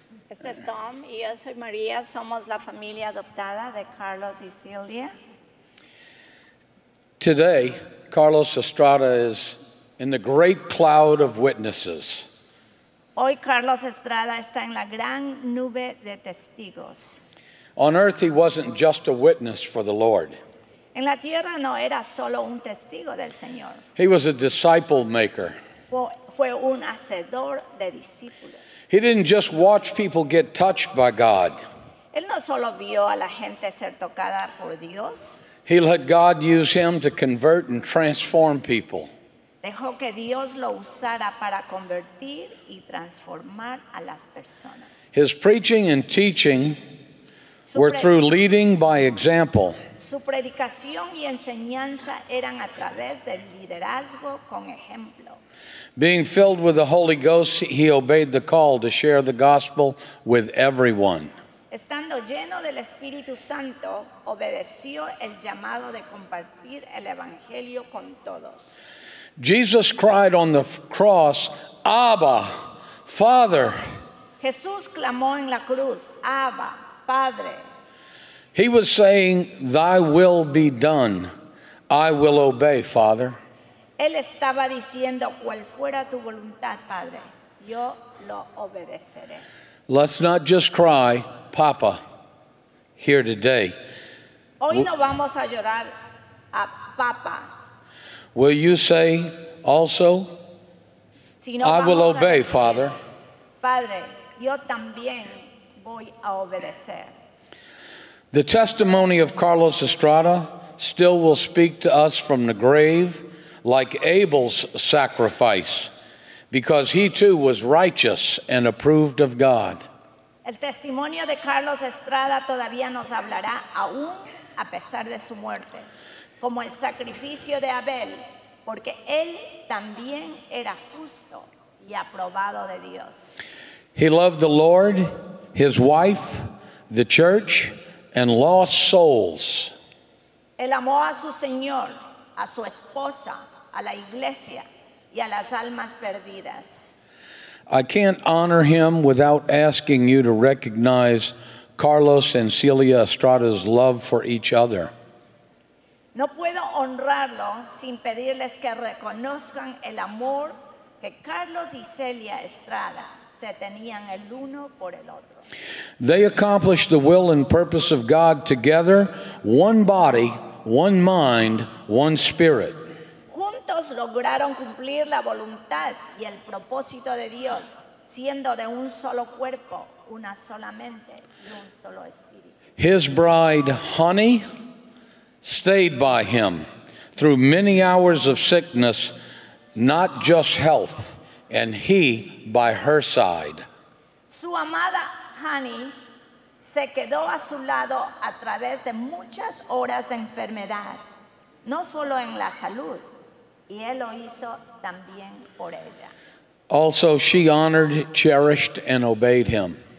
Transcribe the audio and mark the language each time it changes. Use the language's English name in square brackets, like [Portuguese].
[Spanish] Este es Tom, y yo soy Maria, somos la familia adoptada de Carlos y Celia. [English] Today, Carlos Estrada is in the great cloud of witnesses. [Spanish] Hoy Carlos Estrada está en la gran nube de testigos. [English] On earth, he wasn't just a witness for the Lord. [Spanish] En la tierra no era solo un testigo del Señor. [English] He was a disciple maker. [Spanish] Fue un hacedor de discípulos. [English] He didn't just watch people get touched by God. [Spanish] Él no solo vio a la gente ser tocada por Dios. [English] He let God use him to convert and transform people. [Spanish] Dejó que Dios lo usara para convertir y transformar a las personas. [English] His preaching and teaching were through leading by example. [Spanish] Su predicación y enseñanza eran a través del liderazgo con ejemplo. [English] Being filled with the Holy Ghost, he obeyed the call to share the gospel with everyone. [Spanish] Estando lleno del Espíritu Santo, obedeció el llamado de compartir el evangelio con todos. [English] Jesus cried on the cross, Abba, Father. [Spanish] Jesús clamó en la cruz, Abba, Padre. [English] He was saying, Thy will be done. I will obey, Father. [Spanish] Él estaba diciendo, cual fuera tu voluntad, Padre, yo lo obedeceré. [English] Let's not just cry, Papa, here today. [Spanish] Hoy no vamos a llorar a Papa. [English] Will you say also, [Spanish] si no, [English] I will obey, [Spanish] decir, [English] Father. [Spanish] Padre, yo también voy a obedecer. [English] The testimony of Carlos Estrada still will speak to us from the grave like Abel's sacrifice, because he too was righteous and approved of God. [Spanish] El testimonio de Carlos Estrada todavía nos hablará aún a pesar de su muerte, como el sacrificio de Abel, porque él también era justo y aprobado de Dios. [English] He loved the Lord, his wife, the church, and lost souls. [Spanish] Él amó a su Señor, a su esposa, a la iglesia, y a las almas perdidas. [English] I can't honor him without asking you to recognize Carlos and Celia Estrada's love for each other. [Spanish] No puedo honrarlo sin pedirles que reconozcan el amor que Carlos y Celia Estrada se tenían el uno por el otro. [English] They accomplished the will and purpose of God together, one body, one mind, one spirit. [Spanish] Juntos lograron cumplir la voluntad y el propósito de Dios, siendo de un solo cuerpo, una sola mente y un solo espíritu. [English] His bride, Honey, stayed by him through many hours of sickness, not just health, and he by her side. [Spanish] Su amada Honey se quedó a su lado a través de muchas horas de enfermedad, no solo en la salud, y él lo hizo también por ella. [English] Also, she honored, cherished, and obeyed him.